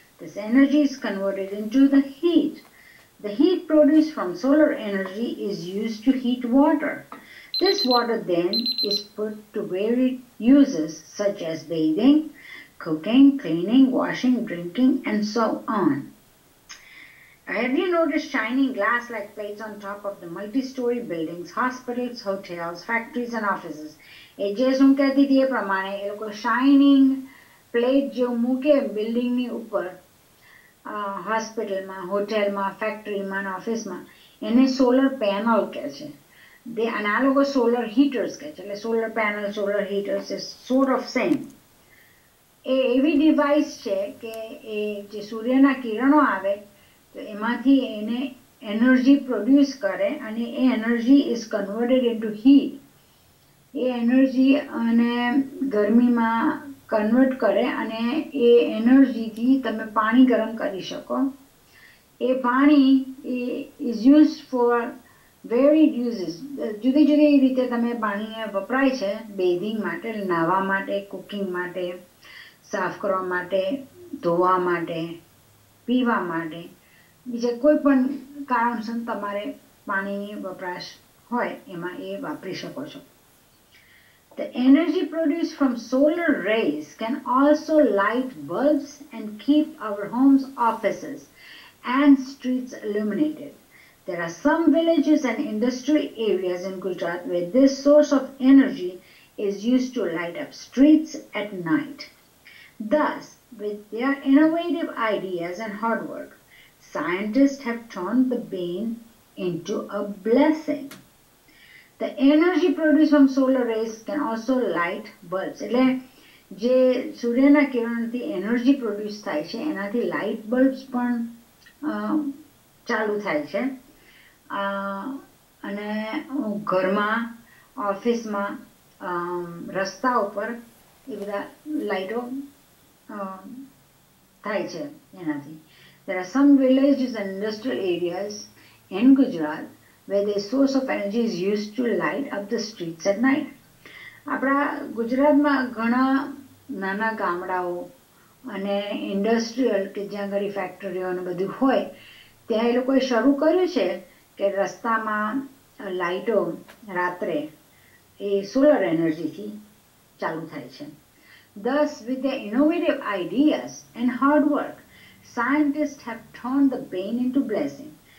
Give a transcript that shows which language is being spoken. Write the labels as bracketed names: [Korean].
[English] This energy is converted in to the heat. The heat produce from solar energy is use to heat water. This water then is put to very uses such as bathing, cooking, cleaning, washing, drinking and so on. Have you noticed shining glass like plates on top of the multi-story buildings, hospitals, hotels, factories and offices? [Gujarati] એ જે શું કહેતી હતી એ પ્રમાણે એ લોકો shining plate જેવું મૂકે બિલ્ડિંગની ઉપર, હોસ્પિટલમાં, હોટેલમાં, ફેક્ટરીમાં, ઓફિસમાં, એને સોલર પેનલ કહે છે. દે અને આ લોકો સોલર હીટર્સ કહે છે. એટલે solar panel, solar હીટર્સ [English] Is sort of same. [Gujarati] એ એવી ડિવાઇસ છે કે એ જે સૂર્યના કિરણો આવે તો એમાંથી એને એનર્જી પ્રોડ્યુસ કરે, અને એ energy [English] Is converted in to heat. [Gujarati] A energy અને ગરમીમાં કન્વર્ટ કરે, અને એ એનર્જીથી તમે પાણી ગરમ કરી શકો. એ પાણી [English] is use for where it uses [Gujarati] જુદી જુદી રીતે તમે પાણી વપરાય છે બેધિંગ માટે નાવા માટે કુકિંગ માટે સાફ કરવા માટે ધોવા માટે પીવા માટે બીજા કોઈ પણ કારણસર તમારે પાણીની વપરાશ હોય એમાં એ વાપરી શકો છો. [English] The energy produced from solar rays can also light bulbs and keep our homes, offices and streets illuminated. There are some villages and industrial areas in Gujarat where this source of energy is used to light up streets at night. Thus, with their innovative ideas and hard work, scientists have turned the bane into a blessing. The energy produced from solar rays can also light bulbs. [Gujarati] એટલે જે સૂર્યના કિરણથી energy produce થાય છે એનાથી light bulbs પણ ચાલુ થાય છે અને ઘરમાં ઓફિસમાં રસ્તા ઉપર એ બધા લાઇટો થાય છે એનાથી. [English] There are some villages and industrial areas in Gujarat where the source of energy is used to light up the streets at night. [Gujarati] આપણા ગુજરાતમાં ઘણા નાના ગામડાઓ અને ઇન્ડસ્ટ્રીઅલ કે જ્યાં ઘણી ફેક્ટરીઓ અને બધું હોય ત્યાં એ લોકોએ શરૂ કર્યું છે કે રસ્તામાં લાઇટો રાત્રે એ સોલર એનર્જીથી ચાલુ થાય છે. [English] Thus, with their innovative ideas and hard work, scientists have turned the bane into blessing.